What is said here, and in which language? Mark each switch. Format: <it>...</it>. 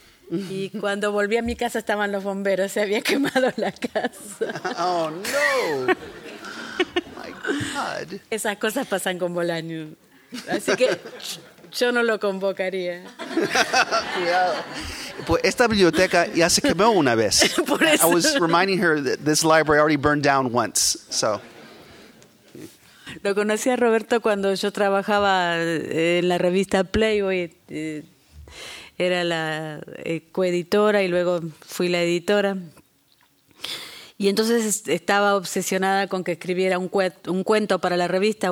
<es>Y cuando volví a mi casa estaban los bomberos, se había quemado la casa.</es> <en>Oh no. My God.</en> <es>Esas cosas pasan con Bolaño. Así que yo no lo convocaría. Cuidado. Pues esta biblioteca ya se quemó una vez. Por eso.</es> <en>I was reminding her that this library already burned down once. So</en> <es>lo conocí a Roberto cuando yo trabajaba en la revista Playboy. Era la coeditora y luego fui la editora. Y entonces estaba obsesionada con que escribiera un cuento para la revista.</es>